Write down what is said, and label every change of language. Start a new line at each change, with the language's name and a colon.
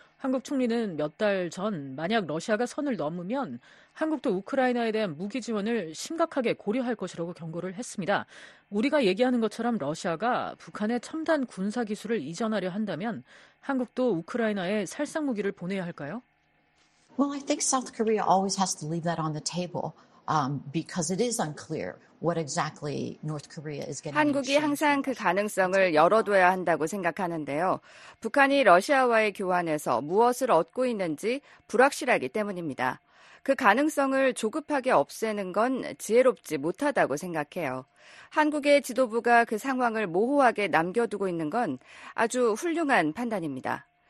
Korean: 한국 총리는 몇 달 전 만약 러시아가 선을 넘으면 한국도 우크라이나에 대한 무기 지원을 심각하게 고려할 것이라고 경고를 했습니다. 우리가 얘기하는 것처럼 러시아가 북한의 첨단 군사 기술을 이전하려 한다면 한국도 우크라이나에 살상 무기를 보내야 할까요?
English: Well, I think South Korea always has to leave that on the table. Because it is unclear what exactly North Korea is getting.
Korean: 한국이 항상 그 가능성을 열어둬야 한다고 생각하는데요. 북한이 러시아와의 교환에서 무엇을 얻고 있는지 불확실하기 때문입니다. 그 가능성을 조급하게 없애는 건 지혜롭지 못하다고 생각해요. 한국의 지도부가 그 상황을 모호하게 남겨두고 있는 건 아주 훌륭한 판단입니다.